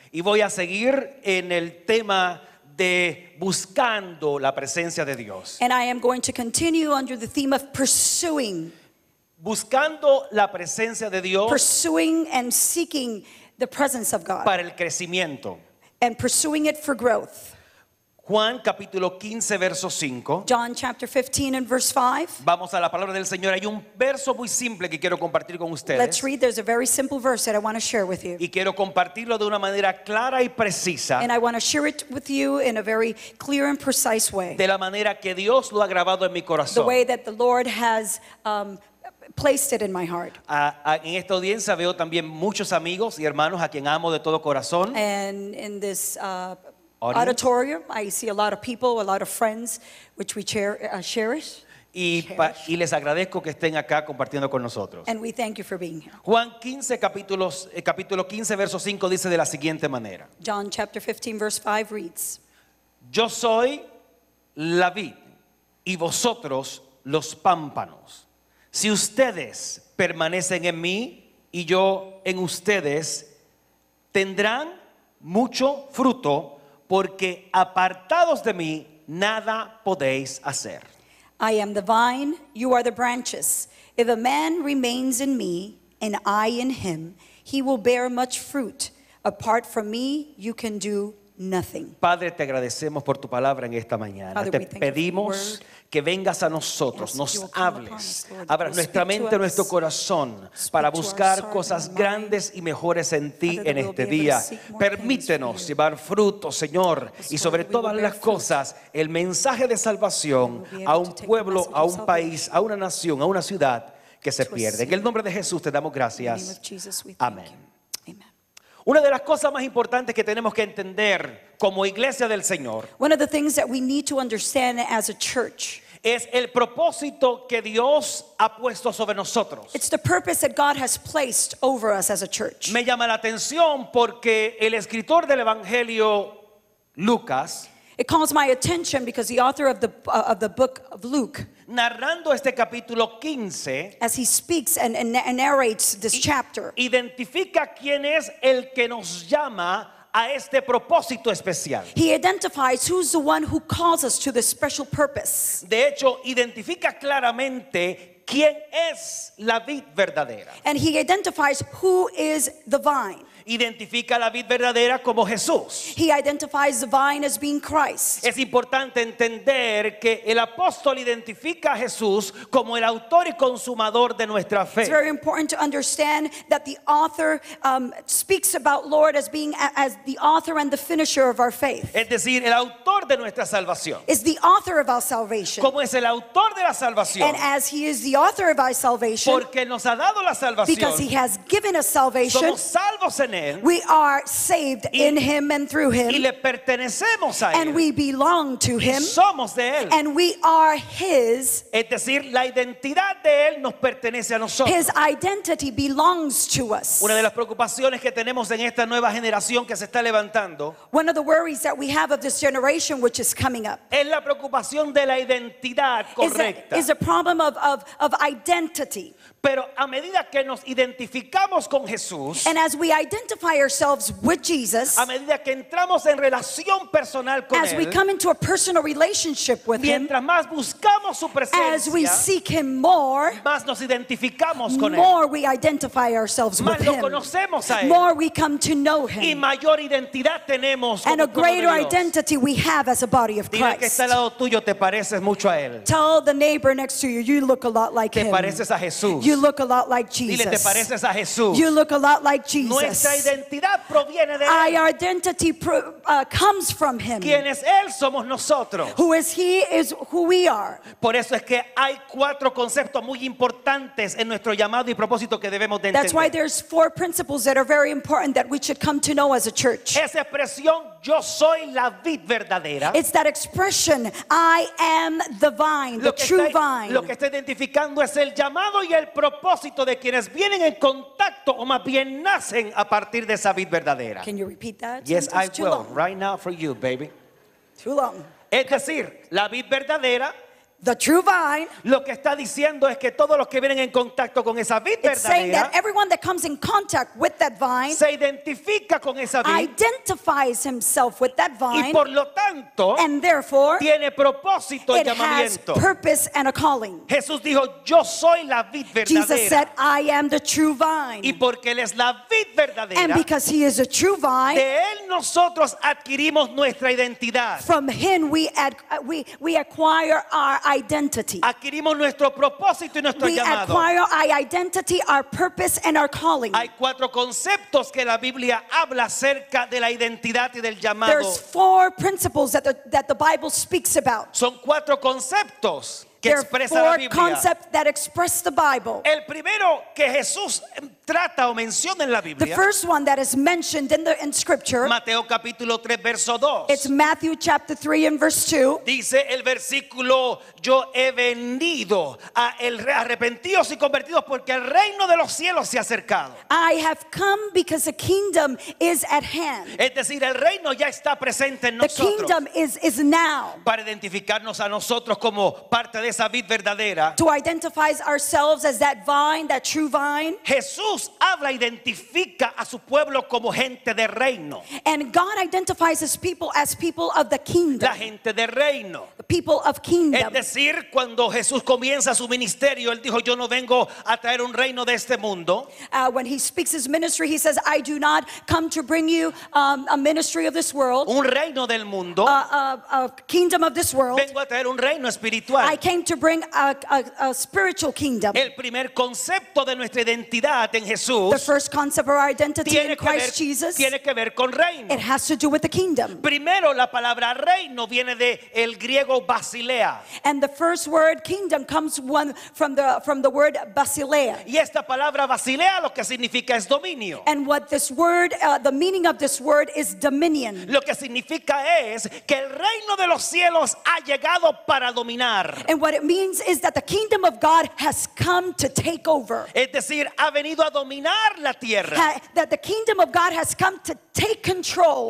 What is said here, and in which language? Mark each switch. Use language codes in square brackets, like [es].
[es] Y voy a seguir en el tema de buscando la presencia de Dios. [en] And I am going to continue under the theme of pursuing. [es] Buscando la presencia de Dios. [en] Pursuing and seeking the presence of God. [es] Para el crecimiento. [en] And pursuing it for growth. [es] Juan capítulo 15 verso 5. [en] John chapter 15 and verse 5. [es] Vamos a la palabra del Señor. Hay un verso muy simple que quiero compartir con ustedes. [en] Let's read. There's a very simple verse that I want to share with you. [es] Y quiero compartirlo de una manera clara y precisa. [en] And I want to share it with you in a very clear and precise way. [es] De la manera que Dios lo ha grabado en mi corazón. [en] The way that the Lord has placed it in my heart. [es] En esta audiencia veo también muchos amigos y hermanos a quien amo de todo corazón. [en] And in this auditorium, I see a lot of people, a lot of friends, which we cherish. [es] Y les agradezco que estén acá compartiendo con nosotros. [en] And we thank you for being here. [es] Juan 15, capítulo 15, verso 5, dice de la siguiente manera. [en] John chapter 15, verse 5 reads, [es] yo soy la vid y vosotros los pámpanos. Si ustedes permanecen en mí y yo en ustedes, tendrán mucho fruto, porque apartados de mí, nada podéis hacer. [en] I am the vine, you are the branches. If a man remains in me, and I in him, he will bear much fruit. Apart from me, you can do nothing. [es] Padre, te agradecemos por tu palabra en esta mañana. [en] Father, [es] te pedimos que vengas a nosotros, nos hables, abras nuestra mente, nuestro corazón, para buscar cosas grandes y mejores en ti en este día. Permítenos llevar fruto, Señor, y sobre todas las cosas, el mensaje de salvación a un pueblo, a un país, a una nación, a una ciudad que se pierde. En el nombre de Jesús te damos gracias. Amén. Una de las cosas más importantes que tenemos que entender como iglesia del Señor, [en] one of the things that we need to understand as a church, [es] es el propósito que Dios ha puesto sobre nosotros. [en] It's the purpose that God has placed over us as a church. [es] Me llama la atención porque el escritor del Evangelio Lucas, [en] it calls my attention because the author of the book of Luke, [es] narrando este capítulo 15, [en] as he speaks and narrates this chapter, [es] identifica quién es el que nos llama a este propósito especial. [en] He identifies who's the one who calls us to this special purpose. [es] De hecho, identifica claramente quién es la vid verdadera. [en] And he identifies who is the vine. [es] Identifica la vid verdadera como Jesús. [en] He identifies the vine as being Christ. [es] Es importante entender que el apóstol identifica a Jesús como el autor y consumador de nuestra fe. [en] It's very important to understand that the author speaks about Lord as being as the author and the finisher of our faith. [es] Es decir, el autor de nuestra salvación. [en] Is the author of our salvation. [es] Como es el autor de la salvación. [en] And as he is the author of our salvation. [es] Porque nos ha dado la salvación. [en] Because he has given us salvation. [es] Somos salvos. [en] We are saved in him and through him. [es] Y le pertenecemos a él. [en] And we belong to him. [es] Y somos de él. [en] And we are his. [es] Es decir, la identidad de él nos pertenece a nosotros. [en] His identity belongs to us. [es] Una de las preocupaciones que tenemos en esta nueva generación que se está levantando, [en] one of the worries that we have of this generation which is coming up, [es] es la preocupación de la identidad correcta. [en] Is a problem of identity. [es] Pero a medida que nos identificamos con Jesús, [en] and as we identify ourselves with Jesus, [es] a medida que entramos en relación personal con [en] as [es] él, [en] we come into a personal relationship with [es] mientras [en] him, [es] más buscamos su presencia, [en] as we seek him more, [es] más nos identificamos con [en] more [es] él, [en] we identify ourselves [es] más [en] with him, [es] conocemos a él, [en] more we come to know him, [es] y mayor identidad tenemos [en] and a greater identity we have as a body of Christ. [es] Dile que está al lado tuyo, te pareces mucho a él. [en] Tell the neighbor next to you, you look a lot like [es] te [en] him. [es] Pareces a Jesús. [en] You look a lot like Jesus. [es] Dile, te pareces a Jesús. [en] You look a lot like Jesus. [es] Nuestra identidad proviene de él. [en] Our identity comes from him. [es] ¿Quién es él? Somos nosotros. [en] Who is he is who we are. [es] Por eso es que hay cuatro conceptos muy importantes en nuestro llamado y propósito que debemos de entender. [en] That's why there's four principles that are very important that we should come to know as a church. [es] Esa expresión, yo soy la vid verdadera. [en] It's that expression, I am the vine, the true vine. [es] Lo que está identificando es el llamado y el propósito de quienes vienen en contacto o más bien nacen a partir de esa vid verdadera. [en] Can you repeat that? Yes, I will. Right now for you, baby. Too long. [es] Es decir, la vid verdadera, [en] The true vine. [es] Lo que está diciendo es que todos los que vienen en contacto con esa vid verdadera, [en] it's saying that everyone that comes in contact with that vine, [es] se identifica con esa vid, [en] identifies himself with that vine, [es] y por lo tanto, [en] and therefore, [es] tiene propósito y llamamiento. [en] It has purpose and a calling. [es] Jesús dijo, yo soy la vid verdadera. [en] Jesus said, I am the true vine. [es] Y porque él es la vid verdadera, [en] and because he is a true vine, [es] de él nosotros adquirimos nuestra identidad. [en] From him we acquire our identity. [es] Adquirimos nuestro propósito y nuestro [en] we [es] llamado. [en] Acquire our identity, our purpose, and our calling. [es] Hay cuatro conceptos que la Biblia habla acerca de la identidad y del llamado. [en] There's four principles that the Bible speaks about. [es] Son cuatro conceptos que [en] there [es] expresa [en] four [es] la Biblia. [en] Concepts that express the Bible. [es] El primero que Jesús trata o menciona en la Biblia. [en] The first one that is mentioned in Scripture. [es] Mateo capítulo 3 verso 2. [en] It's Matthew chapter 3 and verse 2. [es] Dice el versículo, yo he venido a el arrepentidos y convertidos porque el reino de los cielos se ha acercado. [en] I have come because the kingdom is at hand. [es] Es decir, el reino ya está presente en nosotros. [en] The kingdom is now. [es] Para identificarnos a nosotros como parte de esa vid verdadera. [en] To identify ourselves as that vine, that true vine. [es] Jesús habla, identifica a su pueblo como gente de reino. [en] And God identifies his people as people of the kingdom. [es] La gente de reino. [en] The people of kingdom. [es] Es decir, cuando Jesús comienza su ministerio, él dijo, yo no vengo a traer un reino de este mundo. [en] When he speaks his ministry, he says, I do not come to bring you a ministry of this world. [es] Un reino del mundo. [en] A kingdom of this world. [es] Vengo a traer un reino espiritual. [en] I came to bring a spiritual kingdom. [es] El primer concepto de nuestra identidad en Jesús, [en] the first concept of our identity in Christ Jesus, [es] tiene que ver con reino. [en] It has to do with the kingdom. [es] Primero, la palabra reino viene de el griego basilea. [en] And the first word kingdom comes from the word basilea. [es] Y esta palabra basilea lo que significa es dominio. [en] And what this word, the meaning of this word is dominion. [es] Lo que significa es que el reino de los cielos ha llegado para dominar. [en] And what it means is that the kingdom of God has come to take over. [es] Es decir, ha venido a dominar la tierra. [en] That the kingdom of God has come to take control.